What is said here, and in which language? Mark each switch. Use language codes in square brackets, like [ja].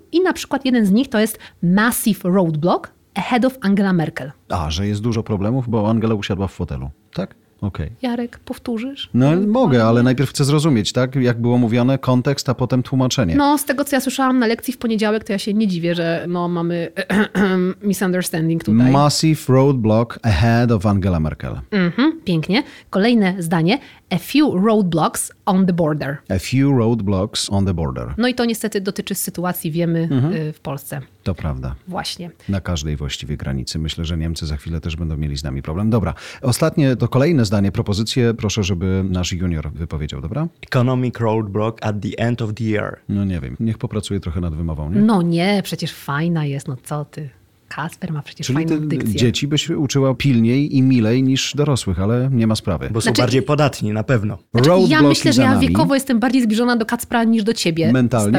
[pl] I na przykład jeden z nich to jest [en] Massive Roadblock Ahead of Angela Merkel. [pl] A, że jest dużo problemów, bo Angela usiadła w fotelu, tak? [en] Okay. [pl] Jarek, powtórzysz? No mogę, ale najpierw chcę zrozumieć, tak? Jak było mówione, kontekst, a potem tłumaczenie. No, z tego co ja słyszałam na lekcji w poniedziałek, to ja się nie dziwię, że no, mamy misunderstanding tutaj. [en] Massive roadblock ahead of Angela Merkel. [pl] Mhm, pięknie. Kolejne zdanie. [en] A few roadblocks on the border. A few roadblocks on the border. [pl] No i to niestety dotyczy sytuacji, wiemy, w Polsce. To prawda. Właśnie. Na każdej właściwie granicy. Myślę, że Niemcy za chwilę też będą mieli z nami problem. Dobra. Ostatnie, to kolejne zdanie, propozycje. Proszę, żeby nasz junior wypowiedział, dobra? [en] Economic roadblock at the end of the year. [pl] No nie wiem. Niech popracuje trochę nad wymową, nie? No nie, przecież fajna jest. No co ty? Kacper ma przecież czyli fajną dykcję. Czyli dzieci byś uczyła pilniej i milej niż dorosłych, ale nie ma sprawy. Bo są znaczy, bardziej podatni, na pewno. Znaczy, ja myślę, że ja wiekowo jestem bardziej zbliżona do Kacpra niż do ciebie. Mentalnie